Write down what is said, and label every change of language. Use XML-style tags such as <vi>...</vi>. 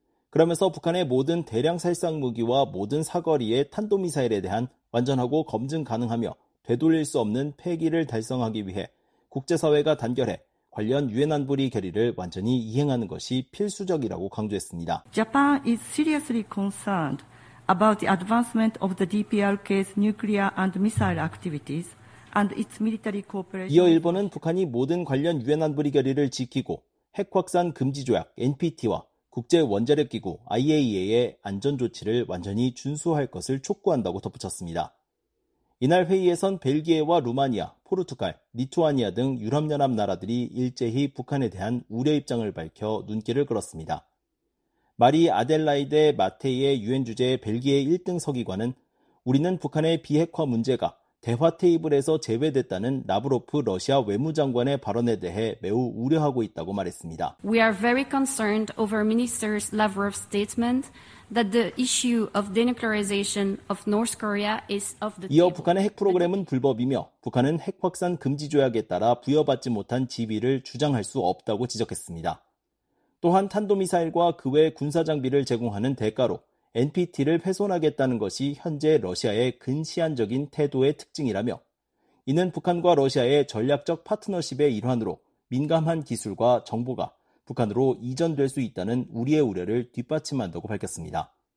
<ko>그러면서 북한의 모든 대량살상무기와 모든 사거리의 탄도미사일에 대한 완전하고 검증 가능하며 되돌릴 수 없는 폐기를 달성하기 위해 국제사회가 단결해 관련 유엔 안보리 결의를 완전히 이행하는 것이 필수적이라고 강조했습니다.</ko> <en>Japan is seriously concerned about the advancement of the DPRK's nuclear and missile activities.</en> <ko>이어 일본은 북한이 모든 관련 유엔 안보리 결의를 지키고 핵확산 금지조약 NPT와 국제원자력기구 IAEA의 안전조치를 완전히 준수할 것을 촉구한다고 덧붙였습니다. 이날 회의에선 벨기에와 루마니아, 포르투갈, 리투아니아 등 유럽연합 나라들이 일제히 북한에 대한 우려 입장을 밝혀 눈길을 끌었습니다. 마리 아델라이데 마테이의 유엔 주재 벨기에 1등 서기관은 우리는 북한의 비핵화 문제가 대화 테이블에서 제외됐다는 라브로프 러시아 외무장관의 발언에 대해 매우 우려하고 있다고 말했습니다.</ko> <en>We are very concerned over Minister Lavrov's statement that the issue of denuclearization of North Korea is of the</en> <ko>이어 북한의 핵 프로그램은 불법이며 북한은 핵 확산 금지 조약에 따라 부여받지 못한 지위를 주장할 수 없다고 지적했습니다. 또한 탄도미사일과 그 외 군사 장비를 제공하는 대가로 NPT를 훼손하겠다는 것이 현재 러시아의 근시안적인 태도의 특징이라며 이는 북한과 러시아의 전략적 파트너십의 일환으로 민감한 기술과 정보가 북한으로 이전될 수 있다는 우리의 우려를 뒷받침한다고 밝혔습니다.</ko>